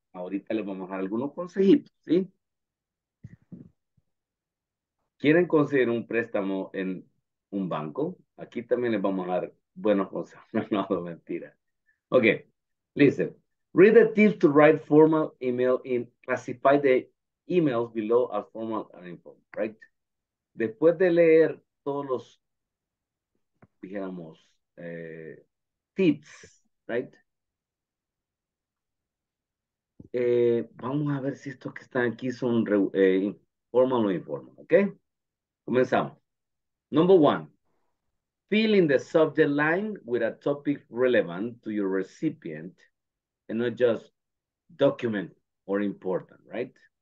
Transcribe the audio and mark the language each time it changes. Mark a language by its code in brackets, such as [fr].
[es] Ahorita les vamos a dar algunos consejitos, ¿sí? ¿Quieren conseguir un préstamo en un banco? Aquí también les vamos a dar buenos consejos. No, mentira. [en] Ok, listen. Read the tips to write formal email and classify the emails below as formal and informal, right? [es] Después de leer todos los, digamos, tips, right? Vamos a ver si estos que están aquí son formal o informal, ok? Comenzamos. [en] Number one, fill in the subject line with a topic relevant to your recipient and not just document or important, right?